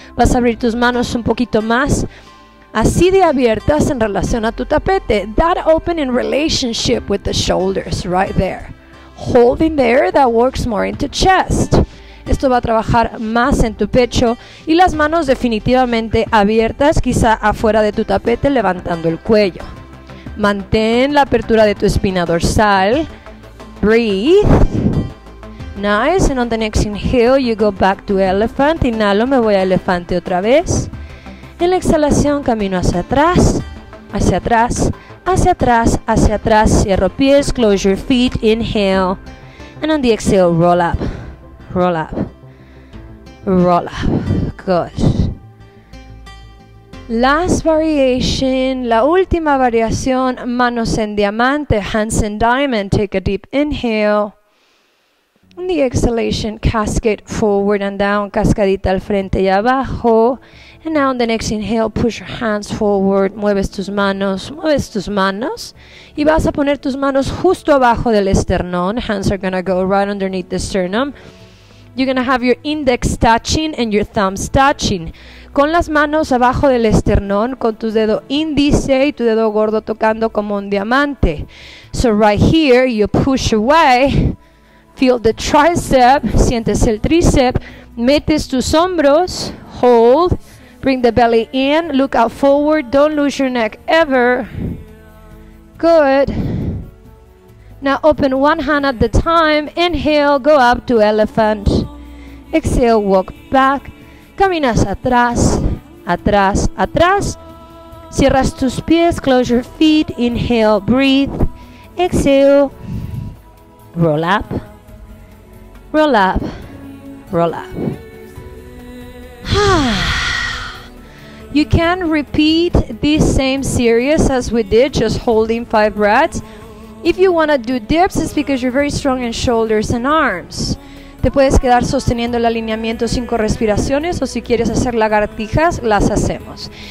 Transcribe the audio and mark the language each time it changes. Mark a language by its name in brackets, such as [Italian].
[Spanish] Vas a abrir tus manos un poquito más, así de abiertas en relación a tu tapete. [English] That open in relationship with the shoulders right there. Holding there, that works more into chest. [Spanish] Esto va a trabajar más en tu pecho y las manos definitivamente abiertas, quizá afuera de tu tapete, levantando el cuello. Mantén la apertura de tu espina dorsal. [English] Breathe. Nice. And on the next inhale, you go back to elephant. [Spanish] Inhalo, me voy a elefante otra vez. En la exhalación, camino hacia atrás, hacia atrás, hacia atrás, hacia atrás. Cierro pies, [English] close your feet, inhale. And on the exhale, roll up. Roll up, roll up, good. Last variation, [Spanish] la última variación, manos en diamante, [English] hands in diamond, take a deep inhale. The exhalation, cascade forward and down, [Spanish] cascadita al frente y abajo. [English] And now on the next inhale, push your hands forward, [Spanish] mueves tus manos, y vas a poner tus manos justo abajo del esternón. [English] Hands are gonna go right underneath the sternum. You're gonna have your index touching and your thumbs touching. [Spanish] Con las manos abajo del esternón, con tu dedo índice y tu dedo gordo tocando como un diamante. [English] So right here, you push away, feel the tricep, [Spanish] sientes el tricep, metes tus hombros, [English] hold, bring the belly in, look out forward, don't lose your neck ever. Good. Now open one hand at a time, inhale, go up to elephant. Exhale, walk back, [Spanish] caminas atrás, atrás, atrás. Cierras tus pies, [English] close your feet, inhale, breathe. Exhale, roll up, roll up, roll up. You can repeat this same series as we did, just holding five breaths. If you want to do dips, it's because you're very strong in shoulders and arms. [Spanish] Te puedes quedar sosteniendo el alineamiento cinco respiraciones, o si quieres hacer lagartijas, las hacemos.